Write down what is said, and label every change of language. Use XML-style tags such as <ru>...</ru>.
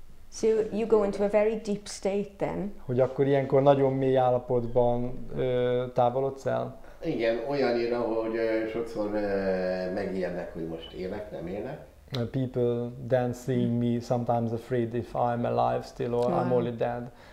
<en>So you go into a very deep state then?</en> <hu>Hogy akkor ilyenkor nagyon mély állapotban távolodsz el? Igen, olyanira, hogy sokszor megijednek, hogy most élek, nem élek.</hu> <en>People then seeing me sometimes afraid if I'm alive still or I'm only dead.</en>